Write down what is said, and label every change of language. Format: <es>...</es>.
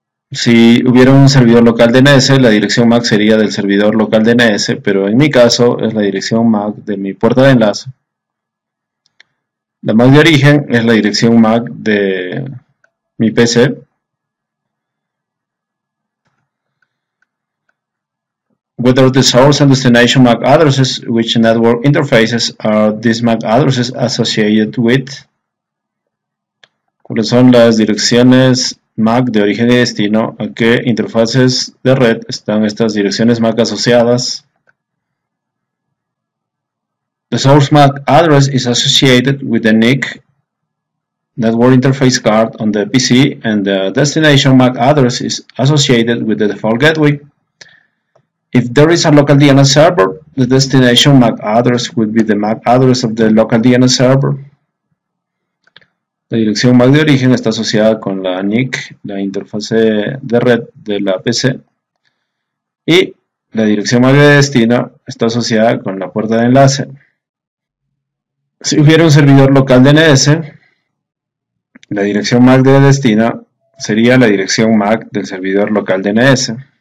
<es>Si hubiera un servidor local DNS, la dirección MAC sería del servidor local DNS, pero en mi caso es la dirección MAC de mi puerta de enlace. La MAC de origen es la dirección MAC de mi PC.</es> <en>Whether the source and destination MAC addresses, which network interfaces are these MAC addresses associated with?</en> <es>¿Cuáles son las direcciones MAC de origen y destino? ¿A qué interfaces de red están estas direcciones MAC asociadas?</es> <en>The source MAC address is associated with the NIC network interface card on the PC, and the destination MAC address is associated with the default gateway. If there is a local DNS server, the destination MAC address would be the MAC address of the local DNS server.</en> <es>La dirección MAC de origen está asociada con la NIC, la interfaz de red de la PC. Y la dirección MAC de destino está asociada con la puerta de enlace. Si hubiera un servidor local DNS, la dirección MAC de destino sería la dirección MAC del servidor local DNS.</es>